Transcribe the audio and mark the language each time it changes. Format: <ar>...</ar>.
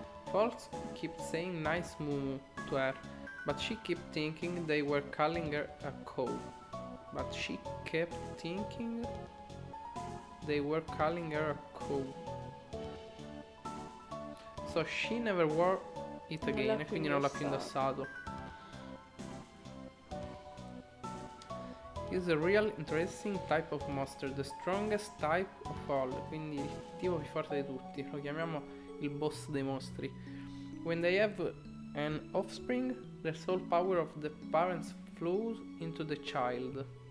<en>Folks keep saying nice mumu to her, but she keep thinking they were calling her a cow. But she kept thinking they were calling her a cow. So she never wore it again,</en> <it>e quindi non l'ha più indossato.</it> <en>It's a real interesting type of monster, the strongest type of all.</en> <it>Quindi il tipo più forte di tutti. Lo chiamiamo il boss dei mostri.</it> <en>When they have an offspring, the soul power of the parents flows into the child.</en>